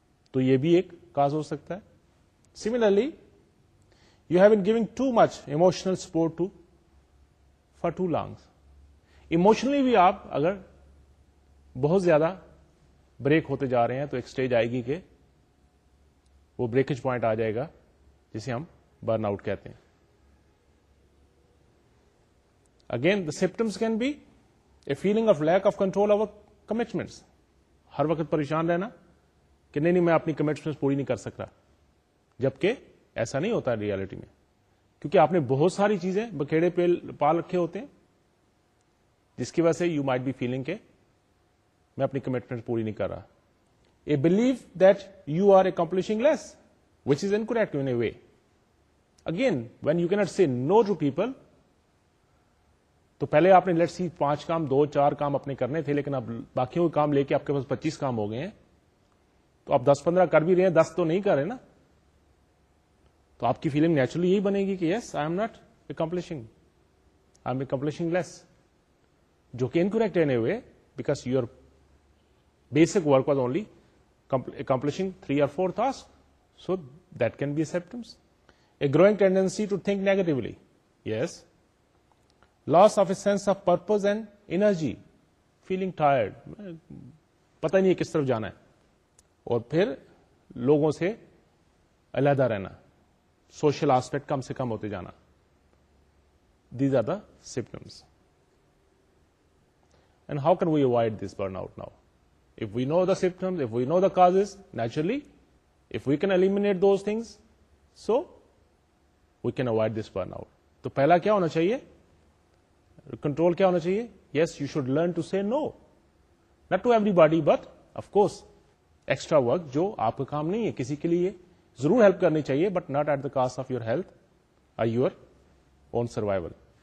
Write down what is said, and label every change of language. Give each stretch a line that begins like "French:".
Urdu: تو یہ بھی ایک کاز ہو سکتا ہے.
English: Similarly you have been giving too much emotional support to for too long.
Urdu: Emotionally بھی آپ اگر بہت زیادہ بریک ہوتے جا رہے ہیں تو ایک سٹیج آئے گی کہ وہ بریکج پوائنٹ آ جائے گا جسے ہم برن آؤٹ کہتے ہیں.
English: Again the symptoms can be a feeling of lack of control over commitments.
Urdu: ہر وقت پریشان رہنا کہ نہیں نہیں میں اپنی کمٹمنٹس پوری نہیں کر سک رہا, جبکہ ایسا نہیں ہوتا ریالٹی میں, کیونکہ آپ نے بہت ساری چیزیں بکھیڑے پہ پال رکھے ہوتے ہیں جس کی وجہ سے
English: you might be feeling
Urdu: کہ میں اپنی کمٹمنٹ پوری نہیں کر رہا.
English: A belief that you are accomplishing less, which is incorrect in a way.
Urdu: Again when you can't C know to people, تو پہلے آپ نے لیٹ سی پانچ کام, دو چار کام اپنے کرنے تھے لیکن اب باقیوں کے کام لے کے آپ کے پاس 25 کام ہو گئے ہیں, تو آپ 10-15 کر بھی رہے ہیں, 10 تو نہیں کر رہے نا, تو آپ کی فیلنگ نیچرلی یہی بنے گی کہ
English: yes I am not accomplishing, I am accomplishing less,
Urdu: جو کہ
English: Incorrect an a way because you are basic work was only accomplishing 3 or 4 task. So that can be symptoms. A growing tendency to think negatively, yes. Loss of a sense of purpose and energy, feeling tired,
Urdu: پتا نہیں کس طرف جانا ہے, اور پھر لوگوں سے علیحدہ رہنا, سوشل آسپیکٹ کم سے کم ہوتے جانا.
English: These are the symptoms. And how can we avoid this burn out now? If we know the symptoms, if we know the causes naturally, if we can eliminate those things, so we can avoid this burn out.
Urdu: تو پہلا کیا ہونا چاہیے, control کیا ہونا چاہیے؟
English: yes, you should learn to سے نو, not to every body, but of course extra work
Urdu: جو آپ کا کام نہیں ہے کسی کے لیے ضرور ہیلپ کرنی چاہیے,
English: But not at the cost of your health or your own survival.